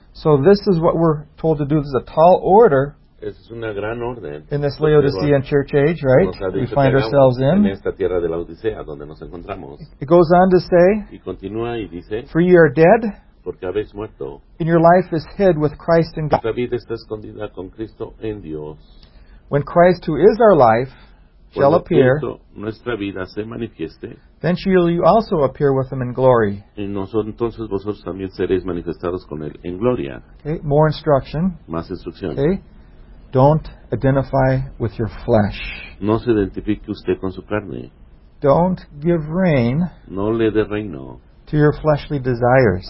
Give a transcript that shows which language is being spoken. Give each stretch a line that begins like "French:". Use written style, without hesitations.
English: So this is what we're told to do. This is a tall order.
Spanish: Es una gran orden.
English: In this Laodicean church age, right, we find ourselves in.
Spanish: En esta tierra de la Odisea, donde nos encontramos.
English: It goes on to say,
Spanish: y continúa y dice,
English: for you are dead,
Spanish: porque habéis muerto,
English: and your life is hid with Christ in God.
Spanish: Tu vida está escondida con Cristo en Dios.
English: When Christ, who is our life, shall appear,
Spanish: nuestra vida se manifieste,
English: then shall you also appear with him in glory.
Spanish: Y nosotros, entonces, vosotros también seréis manifestados con él en gloria.
English: Okay, more instruction.
Spanish: Más instrucción.
English: Okay. Don't identify with your flesh.
Spanish: No se identifique usted con su carne.
English: Don't give rein.
Spanish: No le dé reino.
English: To your fleshly desires.